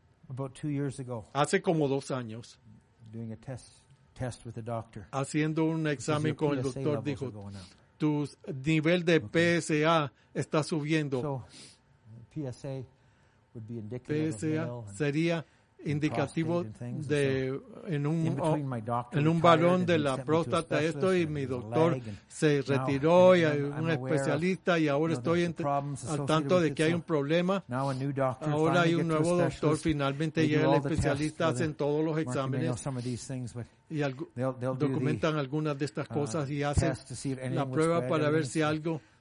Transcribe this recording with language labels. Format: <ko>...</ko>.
<en>About 2 years ago,</en> <es>hace como 2 años,</es> <en>doing a test with the doctor,</en> <es>haciendo un examen con el doctor, dijo, tu nivel de PSA está subiendo.</es> <en>So, PSA, would be indicative PSA of male</en> <es>sería indicativo de en un varón de la próstata, esto, y mi doctor se retiró y hay un especialista, y ahora estoy al tanto de que hay un problema. Ahora hay un nuevo doctor, finalmente llega el especialista, hacen todos los exámenes y documentan algunas de estas cosas y hacen la prueba para ver si algo</es>